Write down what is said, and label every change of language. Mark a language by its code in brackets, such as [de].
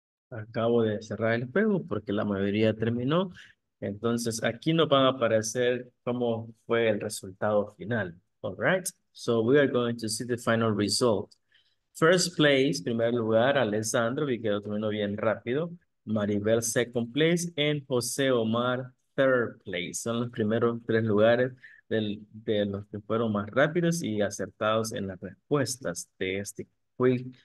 [es] Acabo de cerrar el juego porque la mayoría terminó. Entonces, aquí nos van a aparecer cómo fue el resultado final. [en] All right. So, we are going to see the final result. First place, [es] primer lugar, Alessandro, y quedó terminó bien rápido. [en] Maribel, second place. En José Omar, third place. [es] Son los primeros tres lugares de los que fueron más rápidos y acertados en las respuestas de este quick.